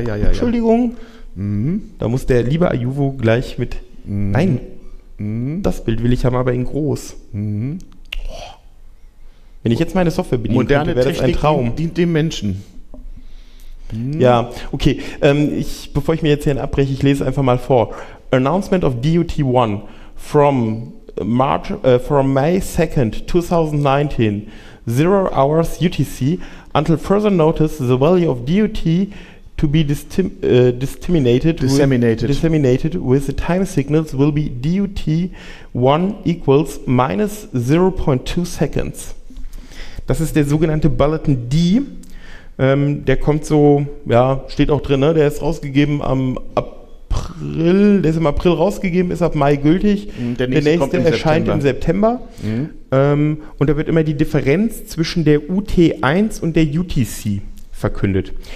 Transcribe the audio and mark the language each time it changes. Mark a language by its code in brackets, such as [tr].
[de] Entschuldigung. Da muss der liebe Ayuvo gleich mit... Nein, das Bild will ich haben, aber in groß. Wenn ich jetzt meine Software bedienen könnte, wäre das ein Traum. Moderne Technik dient dem Menschen. Ja, okay. Bevor ich mir jetzt hier einen abbreche, ich lese einfach mal vor. [en] Announcement of DUT 1 from May 2nd, 2019, 0 hours UTC, until further notice, the value of DUT to be disseminated with the time signals will be DUT 1 equals minus 0.2 seconds. [de] Das ist der sogenannte Bulletin D. Der kommt so, ja, steht auch drin, ne? Der ist rausgegeben am April, der ist im April rausgegeben, ist ab Mai gültig. Der nächste kommt erscheint im September. Mhm. Und da wird immer die Differenz zwischen der UT1 und der UTC verkündet.